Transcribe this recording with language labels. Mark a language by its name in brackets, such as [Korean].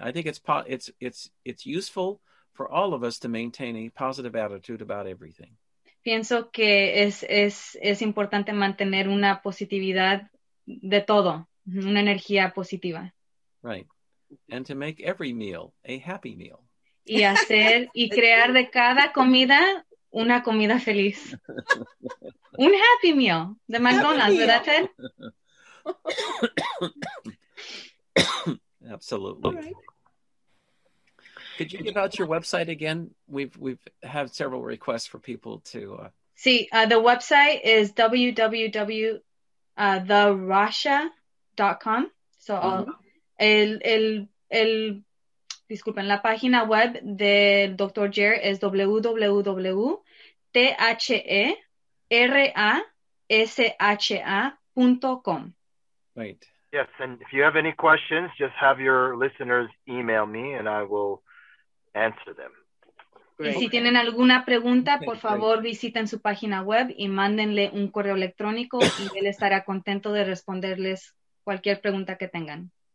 [English] I think it's useful for all of us to maintain a positive attitude about everything. [Spanish] Pienso que es importante mantener una positividad de todo, una energía positiva. [English] Right. And to make every meal a happy meal. [Spanish] Y hacer y crear de cada comida una comida feliz. Un happy meal de McDonald's, ¿verdad, Ted? [English] Absolutely. All right. Could you give out your website again? We've had several requests for people to see. The website is www.therasha.com. So mm-hmm. [Spanish] Disculpen, la página web de Dr. Jerry es www.therasha.com. [English] Right. Yes, and if you have any questions, just have your listeners email me and I will answer them. [Spanish] Y si tienen alguna pregunta, por favor, visiten su página web y mándenle un correo electrónico y él estará contento de responderles cualquier pregunta que tengan.